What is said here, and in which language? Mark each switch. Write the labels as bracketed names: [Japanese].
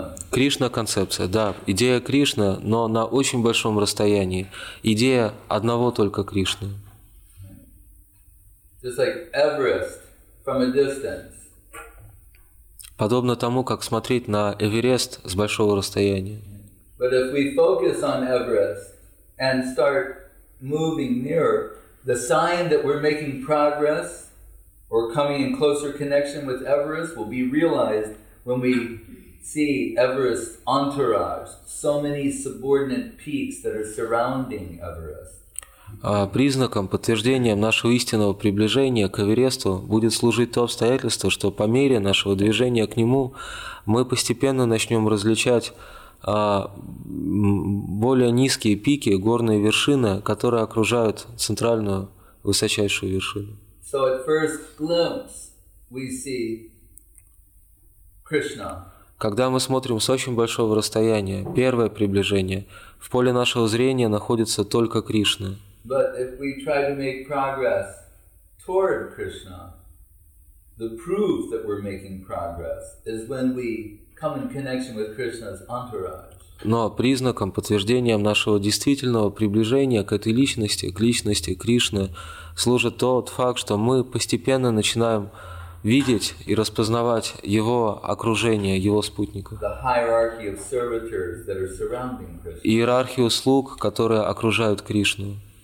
[Russian] Кришна концепция, да, идея Кришны, но на очень большом расстоянии, идея одного только Кришны. [English] Just like Everest from a distance. [Russian] Подобно тому, как смотреть на Эверест с большого расстояния. [English] But if we focus on Everest and start moving nearer, the sign that we're making progress or coming in closer connection with Everest will be realized when we see Everest's entourage, so many subordinate peaks that are surrounding Everest. [Russian] Признаком, подтверждением нашего истинного приближения к Эвересту будет служить то обстоятельство, что по мере нашего движения к нему мы постепенно начнем различать более низкие пики, горные вершины, которые окружают центральную высочайшую вершину. [English] So at first glimpse we see Krishna. [Russian] Когда мы смотрим с очень большого расстояния, первое приближение, в поле нашего зрения находится только Кришна. [English] But if we try to make progress toward Krishna, the proof that we're making progress is when we come in connection with Krishna's entourage. [Russian] Но признаком, подтверждением нашего действительного приближения к этой личности, к личности Кришны, служит тот факт, что мы постепенно начинаем видеть и распознавать его окружение, его спутников. Иерархию слуг, которые окружают Кришну.